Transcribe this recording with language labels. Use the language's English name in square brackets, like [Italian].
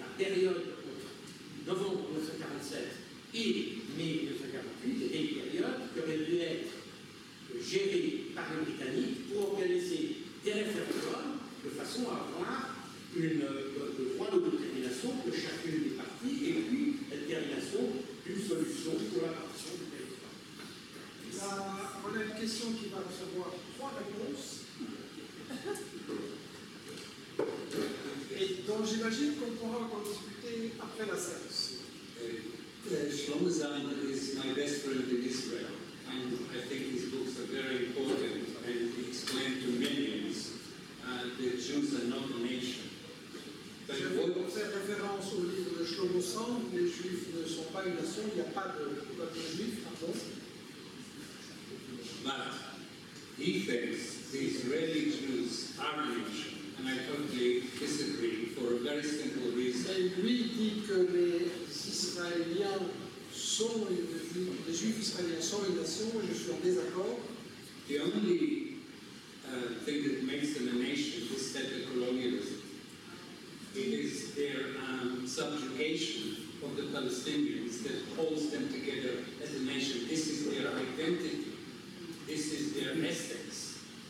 [French] La période entre novembre 1947 et mai 1948 était une période qui aurait dû être gérée par les Britanniques pour organiser des référendums de façon à avoir le droit d'autodétermination de chacune des parties et puis la détermination d'une solution pour la partition du territoire. Là, on a une question qui va recevoir trois réponses. Et donc j'imagine qu'on pourra en discuter après la séance. [English] Shlomo Zain is my best friend in Israel, and I think his books are very important, and he explained to millions that Jews are not a nation. But [French] je vais vous faire référence au livre de Shlomo Zain, les Juifs ne sont pas une nation, il n'y a pas de peuple juif, pardon. [English] But he thinks the Israeli Jews are a nation. And I totally disagree for a very simple reason. [French] Et lui dit que les Israéliens sont les Juifs israéliens sont une nation et je suis en désaccord. [English] The only thing that makes them a nation is that the colonialism. It is their subjugation of the Palestinians that holds them together as a nation. This is their identity. This is their essence.